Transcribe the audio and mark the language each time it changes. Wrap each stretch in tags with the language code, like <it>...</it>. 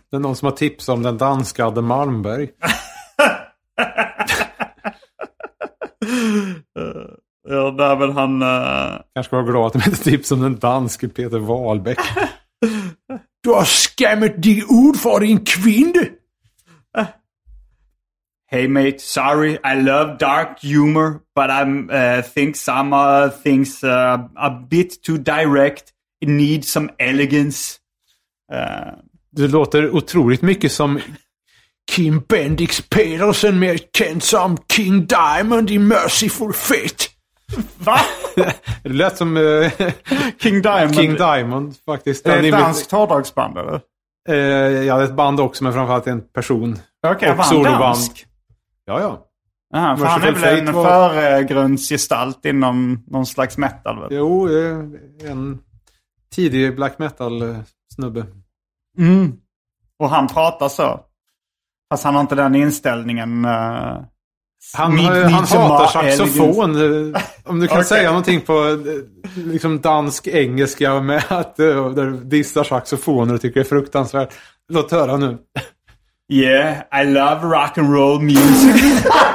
<sv>Det är någon som har tips om den danska Adde Malmberg. Ja, där väl han kanske var glad att med ett tips om den danske Peter Wahlbeck. Du har skämt dig ut för din kvinna.</sv> <en>Hey mate, sorry, I love dark humor, but I think some things a bit too direct. Need some elegance.</en> <sv>Det låter otroligt mycket som Kim Bendix Pedersen, mer känd som King Diamond i Mercyful Fate. Va? Det lät som King Diamond. King Diamond faktiskt. Är det ett danskt hårdragsband eller? Ja, det är ett band också, men framförallt en person. Okej, okay, var han dansk? Ja. Aha, han är väl en föregrundsgestalt inom någon slags metal? Väl? Jo, en tidig black metal-snubbe. Mm. Och han pratar så. Fast han har inte den inställningen. Han hatar saxofon. Om du kan okay. säga någonting på liksom dansk-engelska med att du dissar saxofoner och tycker det är fruktansvärt. Låt höra nu.</sv> <en>Yeah, I love rock and roll music.</en>